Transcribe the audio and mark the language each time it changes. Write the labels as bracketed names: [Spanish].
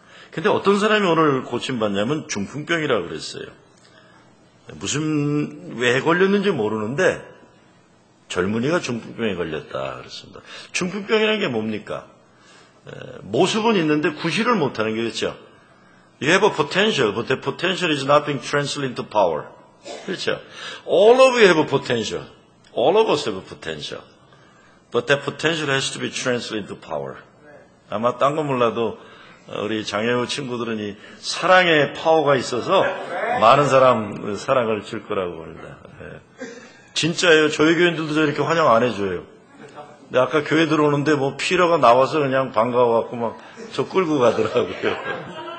[Korean] 근데 어떤 사람이 오늘 고침받냐면 중풍병이라고 그랬어요. 무슨 왜 걸렸는지 모르는데 젊은이가 중풍병에 걸렸다 그랬습니다. 중풍병이라는 게 뭡니까? 모습은 있는데 구실을 못하는 게 그렇죠? [English] You have a potential, but the potential is not being translated into power. [Korean] 그렇죠? [English] All of you have a potential. All of us have a potential. But that potential has to be translated into power. [Korean] 아마 딴 거 몰라도 우리 장애우 친구들은 이 사랑의 파워가 있어서 많은 사람 사랑을 줄 거라고 합니다. 예. 진짜예요. 저희 교인들도 저렇게 환영 안 해줘요. 근데 아까 교회 들어오는데 뭐 피러가 나와서 그냥 반가워갖고 막 저 끌고 가더라고요.